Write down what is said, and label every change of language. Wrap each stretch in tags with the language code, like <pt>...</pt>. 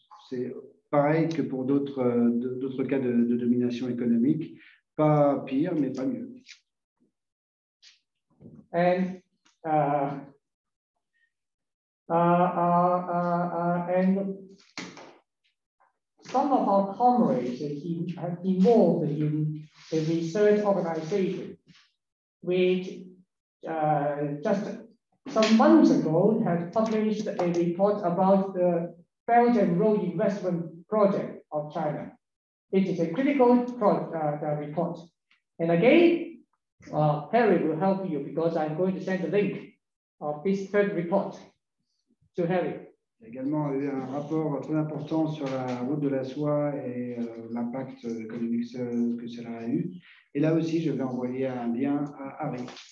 <fr>C'est pareil que pour d'autres cas de domination économique, pas pire, mais pas mieux.</fr> <en>And some of our comrades have involved in a research organization, which just some months ago had published a report about the Belt and Road Investment Project of China. It is a critical report. And again, Harry will help you because I'm going to send the link of this third report.</en> <fr>Il y a également eu un rapport très important sur la route de la soie et l'impact économique que cela a eu. Et là aussi, je vais envoyer un lien à Harry.</fr>